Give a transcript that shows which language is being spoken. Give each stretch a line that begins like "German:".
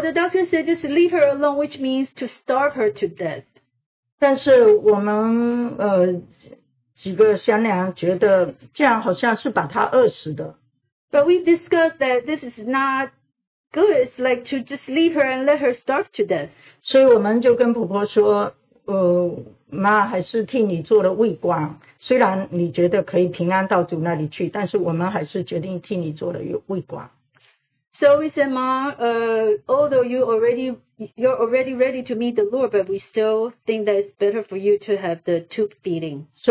English: the doctor said just leave her alone, which means to starve her to death.
Chinese: 但是我们几个商量觉得这样好像是把她饿死的。
English: But we discussed that this is not good. It's like to just leave her and let her starve to death.
Chinese: 所以我们就跟婆婆说，妈还是替你做了胃管。虽然你觉得可以平安到主那里去，但是我们还是决定替你做了胃管。
English: So we said, Ma, although you're already ready to meet the Lord, but we still think that it's better for you to have the tube feeding.